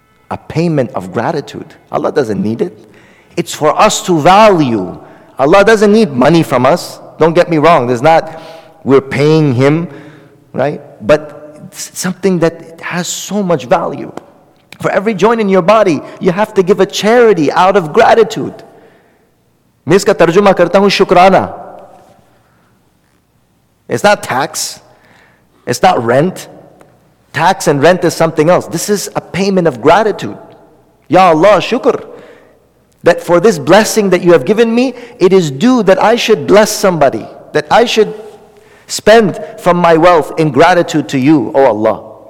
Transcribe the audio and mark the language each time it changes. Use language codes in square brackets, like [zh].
[en] A payment of gratitude. Allah doesn't need it. It's for us to value. Allah doesn't need money from us. Don't get me wrong. There's not, we're paying Him, right? But it's something that has so much value. For every joint in your body, you have to give a charity out of gratitude. [ur] مسکا ترجمہ کرتا ہوں شکرانہ. [en] It's not tax. It's not rent. Tax and rent is something else. This is a payment of gratitude. [ar] Ya Allah, shukr. [en] That for this blessing that you have given me, it is due that I should bless somebody. That I should spend from my wealth in gratitude to you, O Allah.